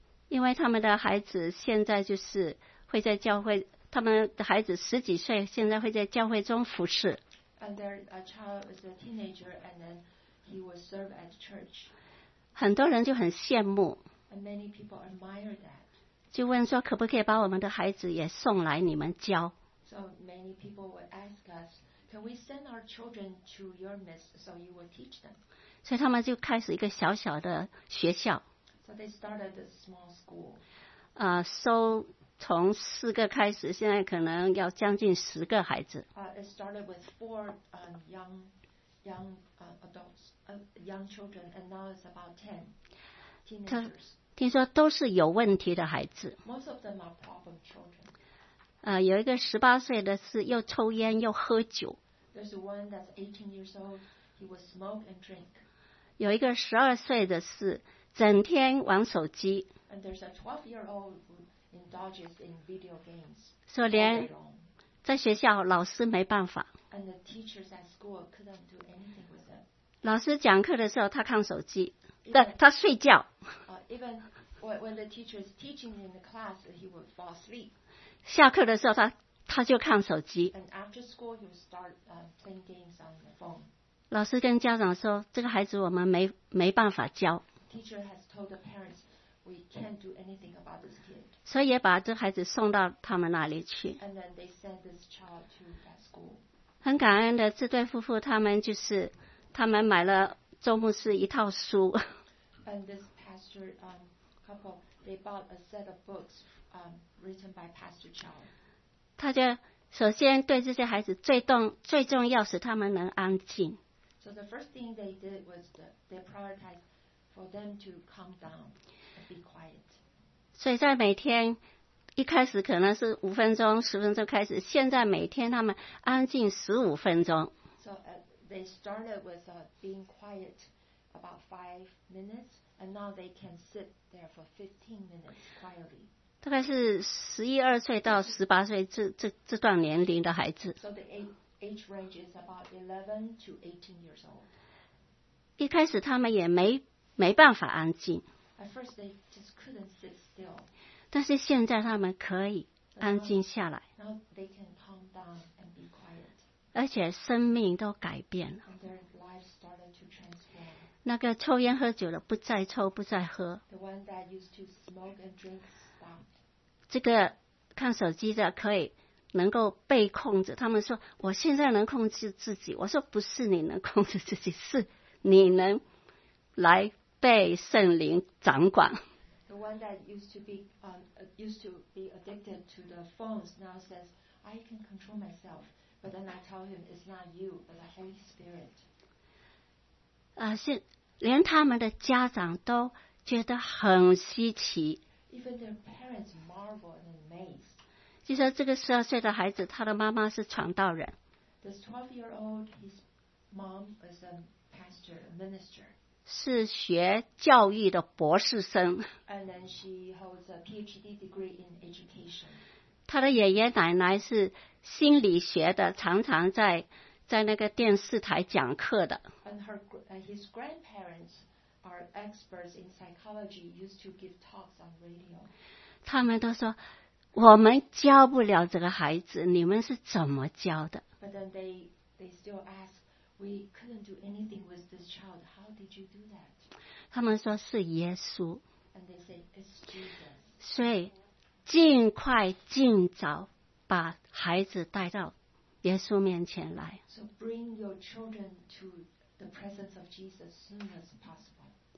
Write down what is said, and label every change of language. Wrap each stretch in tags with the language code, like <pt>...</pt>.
<zh>因为他们的孩子现在就是会在教会。他们的孩子十几岁，现在会在教会中服侍。</zh> <en>And their child is a teenager, and then he will serve at church.</en> <zh>很多人就很羡慕。</zh> <en>And many people admire that.</en> <zh>就问说，可不可以把我们的孩子也送来你们教</zh> <en>？So many people would ask us, can we send our children to your midst so you will teach them?</en> <zh>所以他们就开始一个小小的学校。</zh> <en>So they started a small school.</en> <zh>从四个开始，现在可能要将近十个孩子。</zh> <en>It started with four young children, and now it's about ten teenagers.</en> <zh>听说都是有问题的孩子。</zh> <en>Most of them are problem children.</en> <zh>有一个18岁的是又抽烟又喝酒。</zh> <en>There's one that's 18 years old. He will smoke and drink.</en> <zh>有一个12岁的是整天玩手机。</zh> <en>And there's a 12-year-old. Indulges in video games.</en> <zh>So, 连在学校老师没办法。</zh> <en>And the teachers at school couldn't do anything with them.</en> <zh>老师讲课的时候，他看手机，他睡觉。</zh> <en>Even when the teacher is teaching in the class, he would fall asleep.</en> <zh>下课的时候，他就看手机。</zh> <en>And after school, he would start playing games on the phone.</en> <zh>老师跟家长说，这个孩子我们没办法教。</zh> <en>Teacher has told the parents. We can't do anything about this kid.</en> <zh>所以也把这孩子送到他们那里去。</zh> <en>And then they send this child to that school.</en> <zh>很感恩的这对夫妇，他们买了周牧师一套书。</zh> <en>And this pastor couple, they bought a set of books written by Pastor Chow.</en> <zh>他就首先对这些孩子最重要是他们能安静。</zh> <en>So the first thing they did was they prioritized for them to calm down.</en> <zh>所以在每天一开始可能是5分钟10分钟开始，现在每天他们安静15分钟。</zh> <en>So they started with being quiet about 5 minutes, and now they can sit there for 15 minutes quietly.</en> <zh>大概是11-12岁到18岁这段年龄的孩子。</zh> <en>So the age range is about 11 to 18 years old.</en> <zh>一开始他们也没办法安静。</zh> <en>At first, they just couldn't sit still.</en> <zh>但是现在他们可以安静下来。</zh> <en>Now they can calm down and be quiet.</en> <zh>而且生命都改变了。</zh> <en>And their lives started to transform.</en> <zh>那个抽烟喝酒的不再抽不再喝。</zh> <en>The one that used to smoke and drink stopped.</en> <zh>这个看手机的可以能够被控制。他们说我现在能控制自己。我说不是你能控制自己，是你能来。被圣灵掌管。</zh> <en>The one that used to be addicted to the phones now says, I can control myself. But then I tell him, it's not you, but the Holy Spirit.</en> <zh>连他们的家长都觉得很稀奇。</zh> <en>Even their parents marvel and amaze.</en> <zh>就说这个12岁的孩子，他的妈妈是传道人。</zh> <en>This 12-year-old, his mom is a pastor, a minister.</en> <zh>是学教育的博士生。</zh> <en>And then she holds a PhD degree in education.</en> <zh>他的爷爷奶奶是心理学的，常常在那个电视台讲课的。</zh> <en>And his grandparents are experts in psychology, used to give talks on radio.</en> <zh>他们都说，我们教不了这个孩子，你们是怎么教的？</zh> <en>But then they still ask.We couldn't do anything with this child. How did you do that?</en> <zh>他们说是耶稣。</zh> <en>And they say, it's Jesus.</en> <zh>所以尽快尽早把孩子带到耶稣面前来。</zh> <en>So bring your children to the presence of Jesus as soon as possible.</en>